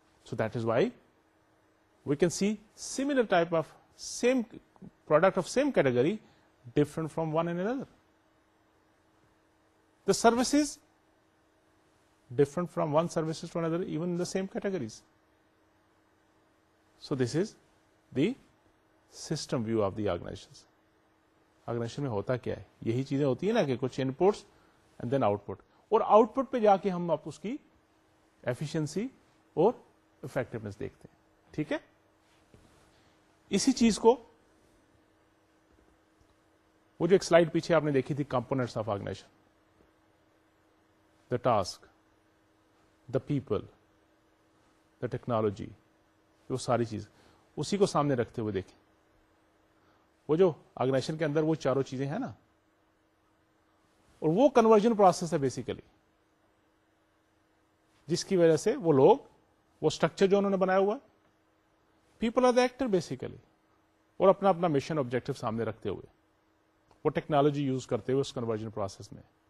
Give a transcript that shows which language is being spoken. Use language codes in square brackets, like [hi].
[en] So that is why we can see similar type of same product of same category different from one and another. The services different from one services to another even in the same categories. So this is the system view of the organizations. [ur] Organization میں ہوتا کیا ہے؟ یہی چیزیں ہوتی ہیں نا کہ کچھ inputs [en] and then output, [ur] اور آؤٹ پٹ پہ جا کے ہم آپ اس کی ایفیشنسی اور افیکٹونیس دیکھتے ہیں. ٹھیک ہے, اسی چیز کو وہ جو ایک سلائیڈ پیچھے آپ نے دیکھی تھی, components of organization, the task, the people, the technology, وہ ساری چیز, اسی کو سامنے رکھتے ہوئے دیکھیں. وہ جو آرگنائزیشن کے اندر وہ چاروں چیزیں ہیں نا, اور وہ کنورژن پروسیس ہے بیسیکلی جس کی وجہ سے وہ لوگ, وہ اسٹرکچر جو انہوں نے بنایا ہوا, [en] people are the actor basically, [ur] اور اپنا اپنا مشن آبجیکٹو سامنے رکھتے ہوئے وہ ٹیکنالوجی یوز کرتے ہوئے اس کنورژن پروسیس میں.